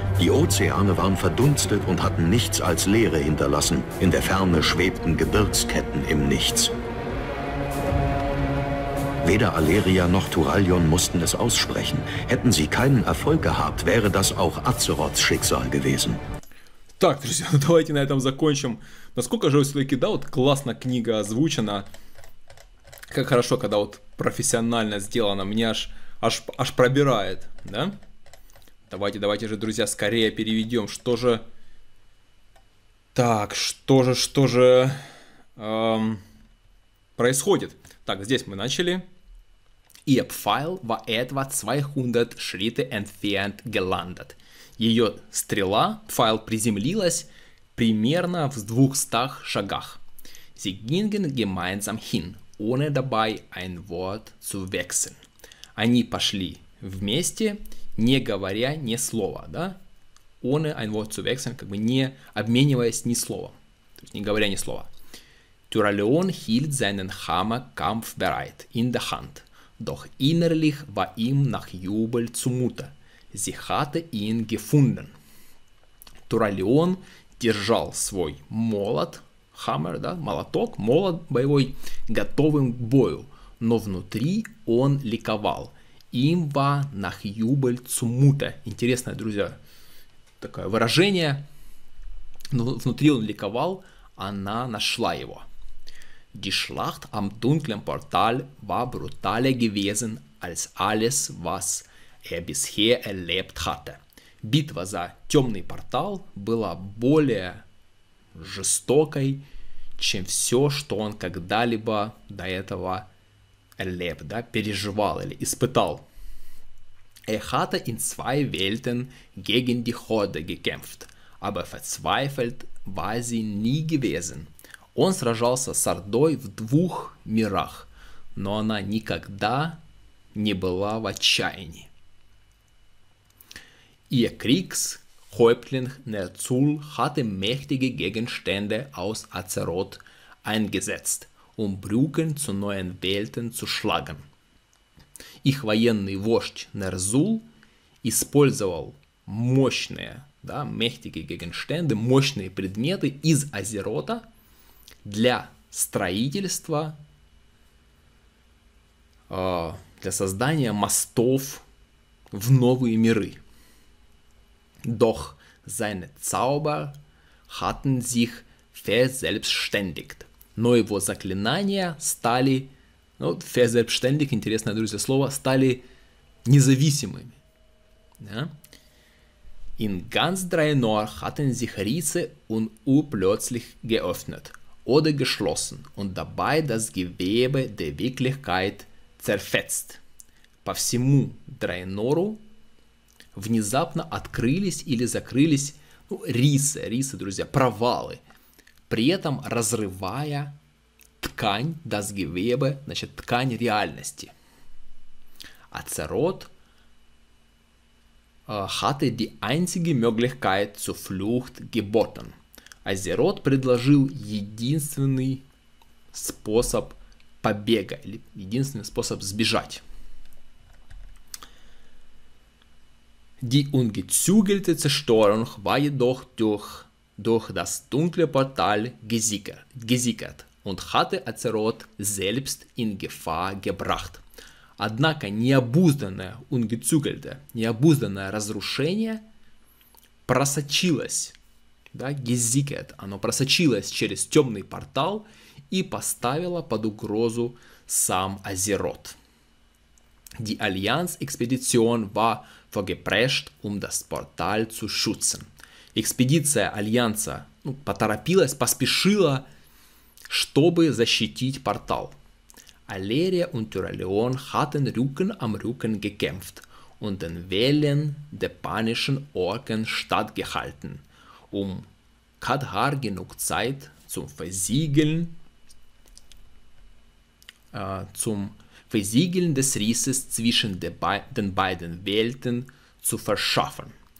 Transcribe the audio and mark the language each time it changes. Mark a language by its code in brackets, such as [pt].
[de] Die Ozeane waren verdunstet und hatten nichts als Leere hinterlassen. In der Ferne schwebten Gebirgsketten im Nichts. Weder Aleria noch Thoralion mussten es aussprechen. Hätten sie keinen Erfolg gehabt, wäre das auch Azeroths Schicksal gewesen. [ru] Так, друзья, ну давайте на этом закончим. Насколько же все-таки, да, вот классно книга озвучена. Как хорошо, когда вот профессионально сделано. Меня аж пробирает, да? Давайте же, друзья, скорее переведем. Что же... Так, что же происходит? Так, здесь мы начали. [de] Ihr Pfeil war etwa 200 Schritte entfernt gelandet. [ru] Ее стрела, Pfeil, приземлилась примерно в 200 шагах. [de] Sie gingen gemeinsam hin, ohne dabei ein Wort zu wechseln. [ru] Они пошли вместе, не говоря ни слова, да? [de] Ohne ein Wort zu wechseln, [ru] как бы не обмениваясь ни словом. То есть не говоря ни слова. [de] Tyrion hielt seinen Hammer kampfbereit in der Hand. Doch innerlich war ihm nach Jubel zumute. Sie hatte ihn gefunden. [ru] Tyrion держал свой молот, Hammer, да, молоток, молот боевой, готовым к бою. Но внутри он ликовал. [de] Ihm war nach Jubel zumute. [ru] Интересное, друзья, такое выражение. Но внутри он ликовал, она нашла его. [de] Die Schlacht am dunklen Portal war brutaler gewesen als alles, was er bisher erlebt hatte. [ru] Битва за темный портал была более жестокой, чем все, что он когда-либо до этого erlebt, да, переживал или испытал. [de] Er hatte in zwei Welten gegen die Horde gekämpft, aber verzweifelt war sie nie gewesen. [ru] Он сражался с Ордой в двух мирах, но она никогда не была в отчаянии. [de] Ihr Kriegshäuptling Ner'zhul hatte mächtige Gegenstände aus Azeroth eingesetzt, um Brücken zu neuen Welten zu schlagen. [ru] Их военный вождь Ner'zhul использовал мощные, да, [de] мächtige Gegenstände, [ru] мощные предметы из Азерота для строительства, для создания мостов в новые миры. [de] Doch seine Zauber hatten sich verselbstständigt. [ru] Но его заклинания стали, ну, verselbstständigt, интересное, друзья, слово, стали независимыми. Да? [de] In ganz Draenor hatten sich Risse und urplötzlich geöffnet. Oder geschlossen und dabei das Gewebe der Wirklichkeit zerfetzt. [ru] По всему Драйнору внезапно открылись или закрылись, ну, рисы, друзья, провалы, при этом разрывая ткань, [de] das Gewebe, [ru] значит, ткань реальности. [de] Azeroth hatte die einzige Möglichkeit zur Flucht geboten. [ru] Азерот предложил единственный способ побега, или единственный способ сбежать. [de] Die ungezügelte Zerstörung war jedoch durch das dunkle Portal gesichert und hatte Азерот selbst in Gefahr gebracht. [ru] Однако необузданное, ungezügelte, необузданное разрушение просочилось, да, Gesicket, оно просочилось через темный портал и поставило под угрозу сам Азерот. [de] Die Allianz-Expedition war vorgeprescht, um das Portal zu schützen. [ru] Экспедиция Альянса, ну, поторопилась, поспешила, чтобы защитить портал. [de] Alleria und Tyrion hatten Rücken am Rücken gekämpft und den Wellen der panischen Orken stattgehalten, um Kadhar genug Zeit zum Versiegeln des Risses zwischen den beiden Welten zu verschaffen.